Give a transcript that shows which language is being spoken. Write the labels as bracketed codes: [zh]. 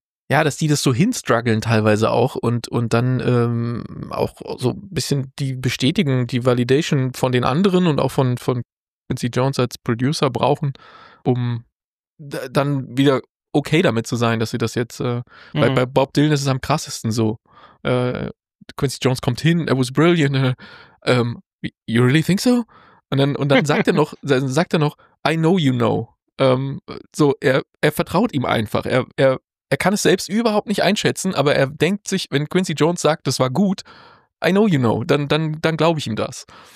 [de] Ja, dass die das so hinstruggeln teilweise auch und dann auch so ein bisschen die Bestätigung, die Validation von den anderen und auch von Quincy Jones als Producer brauchen, um dann wieder okay damit zu sein, dass sie das jetzt, bei Bob Dylan ist es am krassesten so. [en] Quincy Jones [de] kommt hin, [en] it was brilliant, you really think so? [de] Und dann sagt er noch, [en] I know you know. [de] Er vertraut ihm einfach. Er kann es selbst überhaupt nicht einschätzen, aber er denkt sich, wenn Quincy Jones sagt, das war gut, [en] I know you know, [de] dann glaube ich ihm das.